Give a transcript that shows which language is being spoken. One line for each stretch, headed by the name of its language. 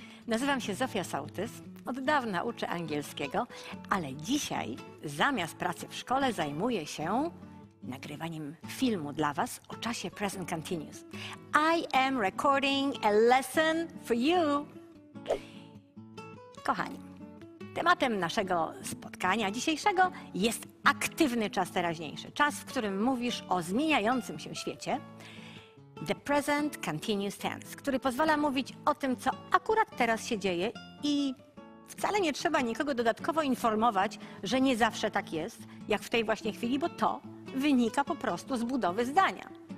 Polish: Nazywam się Zofia Sołtys. Od dawna uczę angielskiego, ale dzisiaj zamiast pracy w szkole zajmuję się nagrywaniem filmu dla Was o czasie Present Continuous.
English: I am recording a lesson for you.
Polish: Kochani, tematem naszego spotkania dzisiejszego jest aktywny czas teraźniejszy. Czas, w którym mówisz o zmieniającym się świecie. The present continuous tense, który pozwala mówić o tym, co akurat teraz się dzieje i wcale nie trzeba nikogo dodatkowo informować, że nie zawsze tak jest, jak w tej właśnie chwili, bo to wynika po prostu z budowy zdania.